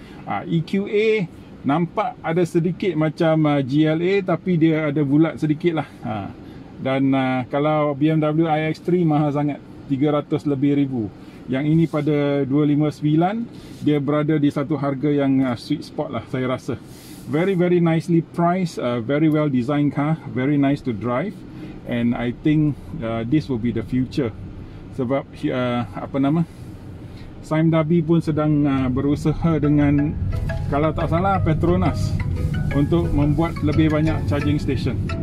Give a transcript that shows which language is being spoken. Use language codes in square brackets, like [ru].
[ms] EQA nampak ada sedikit macam GLA tapi dia ada bulat sedikit lah. Dan kalau BMW iX3 mahal sangat. 300 lebih ribu. Yang ini pada 259, dia berada di satu harga yang sweet spot lah saya rasa. [en] Very very nicely priced, very well designed car, very nice to drive, and I think this will be the future. [ms] Sebab apa nama? Saim Dabi pun sedang berusaha dengan, kalau tak salah, Petronas untuk membuat lebih banyak charging station.